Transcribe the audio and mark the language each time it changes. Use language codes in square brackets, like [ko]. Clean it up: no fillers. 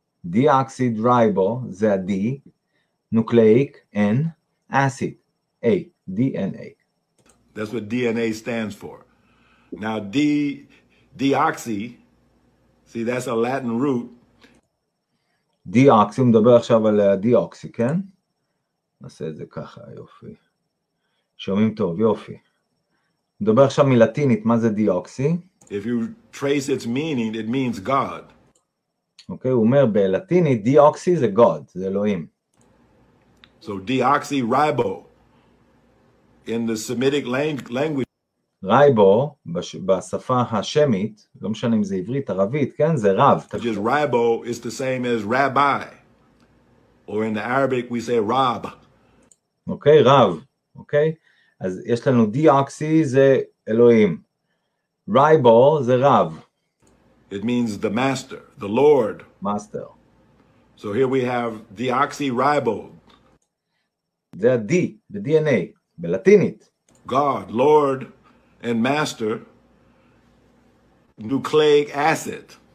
[en] deoxyribo זה ה-D, nucleic, N, acid, A, DNA. That's what DNA stands for. Now, deoxy, see, that's a Latin root. [he] Deoxy, הוא מדבר עכשיו על deoxy, כן? נעשה את זה ככה, יופי. שומעים טוב, יופי. מדבר עכשיו מלטינית, מה זה deoxy? [en] If you trace its meaning, it means God. [he] אוקיי, הוא אומר בלטינית, deoxy זה God, זה אלוהים. [en] So deoxyribo. In the Semitic language. [he] ריבו, בשפה השמית, לא משנה אם זה עברית, ערבית, כן? זה רב. [en] Just ribo is the same as rabbi. Or in the Arabic we say rab. [he] אוקיי, רב, אוקיי? אז יש לנו deoxy זה אלוהים. ריבו זה רב. [en] It means the master, the Lord. Master. So here we have deoxyribo. [he] זה ה-D, ב-DNA. בלטינית. [en] God, Lord, and Master, nucleic acid.